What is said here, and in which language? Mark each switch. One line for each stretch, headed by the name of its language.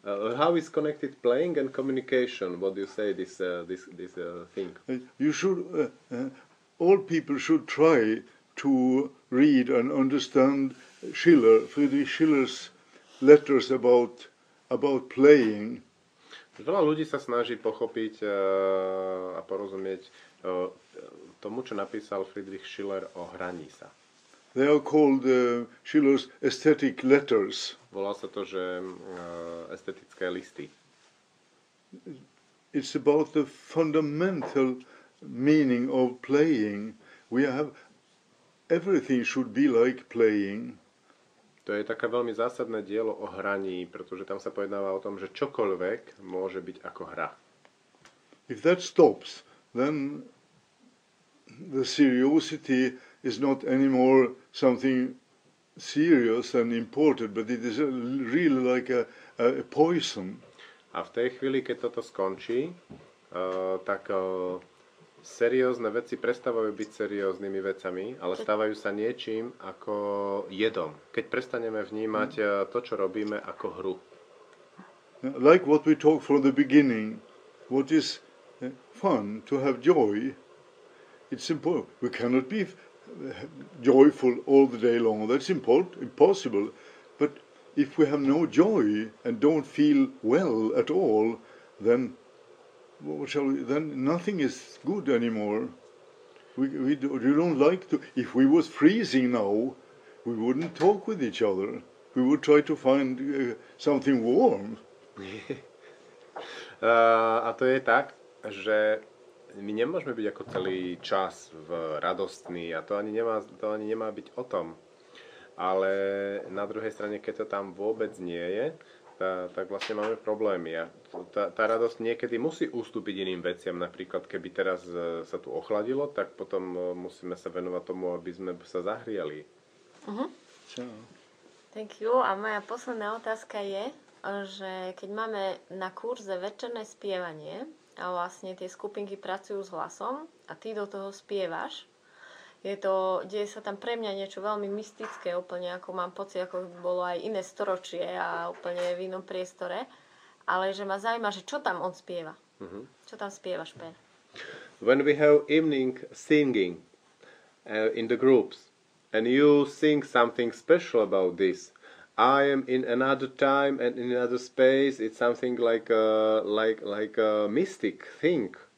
English: How is connected playing and communication? What do you say this thing? You should all people should try to read and understand Schiller, Friedrich Schiller's letters about playing.
Slovak: Veľa ľudí sa snaží pochopiť a porozumieť tomu, čo napísal Friedrich Schiller o hraní sa.
English: They are called Schiller's aesthetic letters.
Slovak: Volá sa to, že estetické listy.
English: It's about the fundamental meaning of playing. We have everything should be like playing.
Slovak: To je také veľmi zásadné dielo o hraní, pretože tam sa pojednáva o tom, že čokoľvek môže byť ako hra.
English: If that stops, then the seriousness is not anymore something serious and important, but it is really like a poison.
Slovak: A v tej chvíli, keď toto skončí, tak seriózne veci prestávajú byť serióznymi vecami, ale stávajú sa niečím ako jedom. Keď prestaneme vnímať to, čo robíme, ako hru.
English: Like what we talked from the beginning, what is fun, to have joy, it's important. We cannot be joyful all the day long. That's impossible. But if we have no joy and don't feel well at all, then what shall we, then nothing is good anymore. We don't like to. If we was freezing now, we wouldn't talk with each other. We would try to find something warm.
Slovak: A to je tak, že my nemôžeme byť ako celý čas v radostný, a to ani nemá byť o tom. Ale na druhej strane, keď to tam vôbec nie je, tak vlastne máme problémy. A tá radosť niekedy musí ustúpiť iným veciam. Napríklad, keby teraz sa tu ochladilo, tak potom musíme sa venovať tomu, aby sme sa zahriali. Uh-huh.
English: Thank you.
Slovak: A moja posledná otázka je, že keď máme na kurze večerné spievanie, a vlastne tie skupinky pracujú s hlasom a ty do toho spievaš. Deje sa tam pre mňa niečo veľmi mystické, úplne ako mám pocit, ako bolo aj iné storočie a úplne v inom priestore. Ale že ma zaujíma, že čo tam on spieva? Mm-hmm. Čo tam spievaš, Per?
English: When we have evening singing in the groups, and you think something special about this. I am in another time and in another space. It's something like a mystic thing.